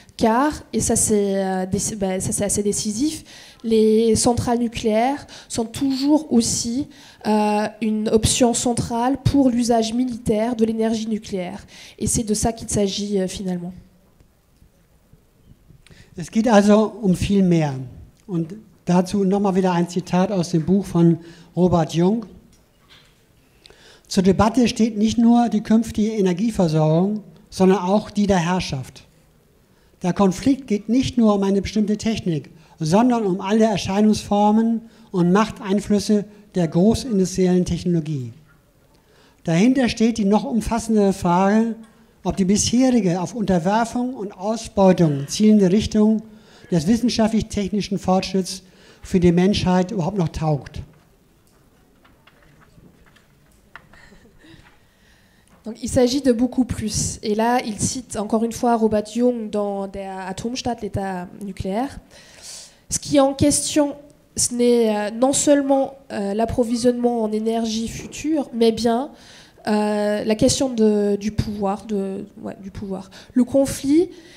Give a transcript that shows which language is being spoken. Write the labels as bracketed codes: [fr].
[fr] Car, et ça c'est assez décisif, les centrales nucléaires sont toujours aussi une option centrale pour l'usage militaire de l'énergie nucléaire. Et c'est de ça qu'il s'agit finalement. [de] Es geht also viel mehr. Und dazu nochmal wieder ein Zitat aus dem Buch von Robert Jung. Zur Debatte steht nicht nur die künftige Energieversorgung, sondern auch die der Herrschaft. Der Konflikt geht nicht nur um eine bestimmte Technik, sondern um alle Erscheinungsformen und Machteinflüsse der großindustriellen Technologie. Dahinter steht die noch umfassendere Frage, ob die bisherige auf Unterwerfung und Ausbeutung zielende Richtung des wissenschaftlich-technischen Fortschritts für die Menschheit überhaupt noch taugt. [fr] Donc, il s'agit de beaucoup plus. Et là, il cite encore une fois Robert Jung dans « Der Atomstaat », l'État nucléaire. Ce qui est en question, ce n'est non seulement l'approvisionnement en énergie future, mais bien la question du pouvoir. Le conflit